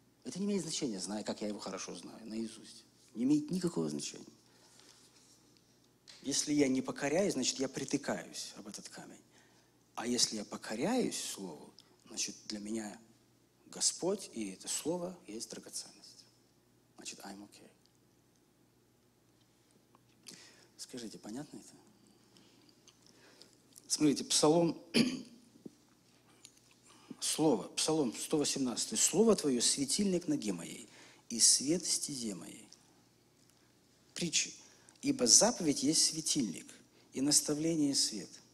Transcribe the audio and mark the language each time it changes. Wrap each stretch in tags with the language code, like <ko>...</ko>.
<ru>Это не имеет значения, зная, как я его хорошо знаю, наизусть. Не имеет никакого значения. Если я не покоряюсь, значит, я притыкаюсь об этот камень. А если я покоряюсь Слову, значит, для меня Господь и это Слово есть драгоценность. Значит,</ru> <en>I'm okay.</en> <ru>Скажите, понятно это? Смотрите, Псалом, Слово, Псалом 118. Слово Твое – светильник ноге моей и свет стезе моей. Притчи. Ибо заповедь есть светильник и наставление – свет.</ru>